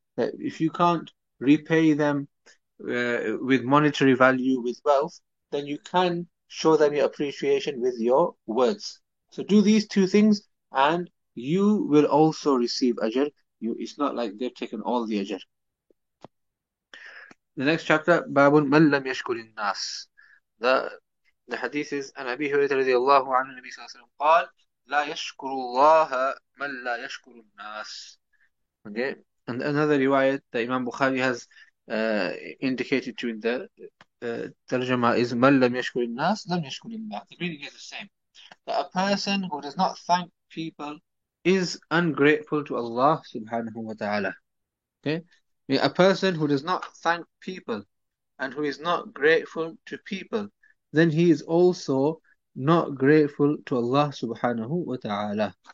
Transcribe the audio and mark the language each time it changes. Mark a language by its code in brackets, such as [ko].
[en] That if you can't repay them with monetary value, with wealth, then you can show them your appreciation with your words. So do these two things and you will also receive ajr. It's not like they've taken all the ajr. The next chapter, Babun Man Lam Yashkur Innas. The hadith is, and Abi Hurairah [ar] رضي الله عنه النبي صلى الله عليه وسلم قال, لا يشكر الله من لا يشكر الناس. [en] Okay, and another riwayat that Imam Bukhari has indicated to in the Tarjama is [ar] man lam yashkur in nas, lam yashkur in ba. [en] The meaning is the same. That a person who does not thank people is ungrateful to Allah subhanahu wa ta'ala. Okay? A person who does not thank people and who is not grateful to people, then he is also not grateful to Allah subhanahu wa ta'ala.